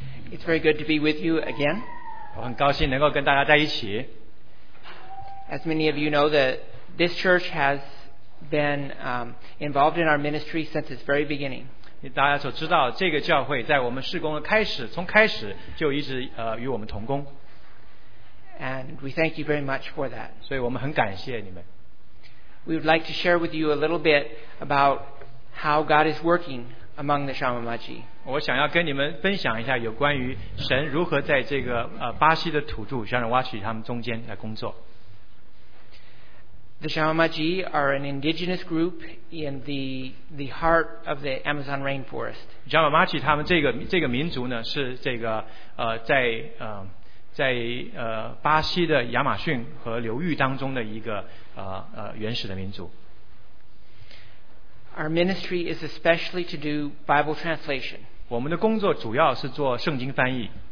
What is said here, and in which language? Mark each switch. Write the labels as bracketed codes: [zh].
[en] It's very good to be with you again。 [zh] 我很高兴能够跟大家在一起。 [en] As many of you know, that this church has been involved in our ministry since its very beginning. [zh] 大家所知道，这个教会在我们事工的开始，从开始就一直与我们同工。 [en] And we thank you very much for that. [zh] 所以我们很感谢你们。 [en] We would like to share with you a little bit about how God is working among the Shamamaji. [zh] 我想要跟你们分享一下有关于神如何在这个巴西的土著Shamamaji他们中间来工作。 [en] The Shamamaji are an indigenous group in the heart of the Amazon rainforest. [zh] Shamamaji 他们这个民族呢是这个巴西的亚马逊和流域当中的一个原始的民族。 [en] Our ministry is especially to do Bible translation. [zh] 我们的工作主要是做圣经翻译。